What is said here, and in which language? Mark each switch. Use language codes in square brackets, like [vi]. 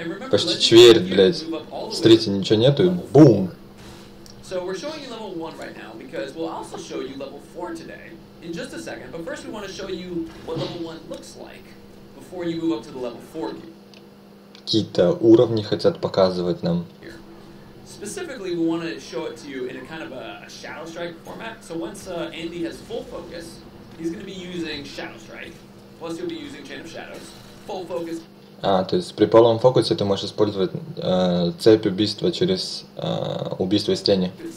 [ru] Почти чверь, блядь. Смотрите, ничего нету, и бум! [en] So we're showing you level 1 right now because we'll also show you level 4 today in just a second. But first we want to show you what level 1 looks like before you move up to the level 4 gear. [ru] Какие-то уровни хотят показывать нам. [en] Specifically, we want to show it to you in a kind of a Shadow Strike format. So once Andy has full focus, he's going to be using Shadow Strike. Plus he'll be using Chain of Shadows. Full focus. [ru] А, то есть при полном фокусе ты можешь использовать цепь убийства через убийство из тени.